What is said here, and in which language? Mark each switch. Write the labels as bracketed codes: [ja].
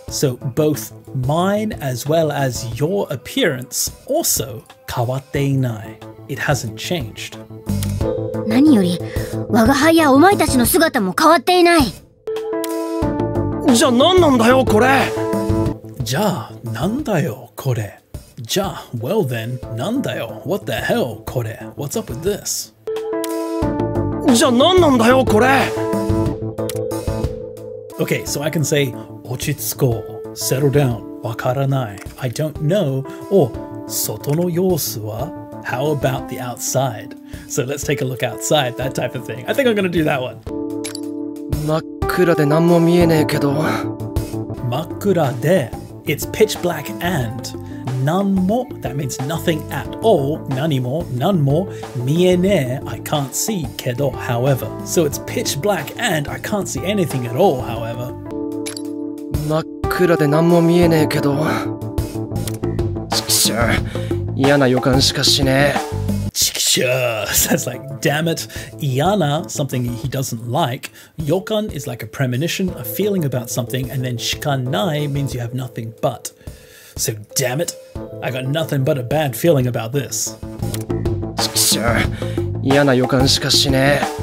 [en] So, both mine as well as your appearance also [ja] 変わっていない。 [en] It hasn't changed. [ja] 何より、我が輩やお前たちの姿も変わっていない。じゃあ何なんだよこれ。じゃあ何だよこれ。じゃあ、 [en] well then, [ja] 何だよ。 [en] What the hell これ。What's up with this? [ja] じゃあ何なんだよこれ。 [en] Okay, so I can say [ja] 落ち着こう、 [en] settle down, [ja] わからない、 [en] I don't know, or [ja] 外の様子は、 [en] how about the outside? So let's take a look outside, that type of thing. I think I'm gonna do that one. [ja] 真っ暗で何も見えねえけど。真っ暗で、 [en] it's pitch black and [ja] 何も、 [en] that means nothing at all, 何も、none more, [ja] 見えねえ、 [en] I can't see, [ja] けど、 [en] however. So it's pitch black and I can't see anything at all, however. [ja] 真っ暗で何も見えねえけど。チキシャー、嫌な予感しかしねえ。チキシャー、 [en] that's like, damn it. [ja] 嫌な、 [en] something he doesn't like. 予感 is like a premonition, a feeling about something, and then [ja] しかない [en] means you have nothing but. So damn it, I got nothing but a bad feeling about this. [ja] チキシャー、嫌な予感しかしねえ。